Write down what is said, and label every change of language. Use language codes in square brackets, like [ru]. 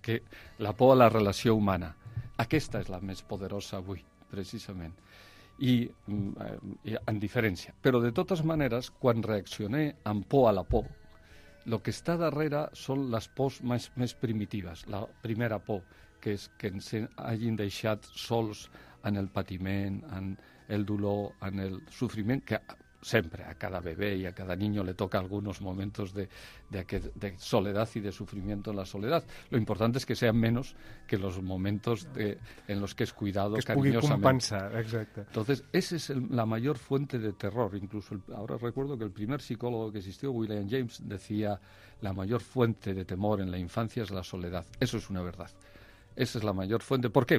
[ca] Que la por a la relació humana. Aquesta és la més poderosa avui, precisament. I en diferència. Però, de totes maneres, quan reaccioné amb por a la por, el que està darrere són les pors més primitives. La primera por, que és que ens hagin deixat sols en el patiment, en el dolor, en el sofriment, que sempre a cada bebé i a cada [es] niño le toca [ca] alguns moments de soledat i de sofriment en la soledat. [es] Lo [ca] important és [es] es que sean menos que los momentos en los que es cuidado cariñosamente. [ca] Que es pugui compensar, exacte. [es] Entonces, esa es la mayor fuente de terror. Incluso ahora recuerdo que el primer psicólogo que existió, William James, decía la mayor fuente de temor en la infancia es la soledad. Eso es una verdad. Esa es la mayor fuente. ¿Por qué?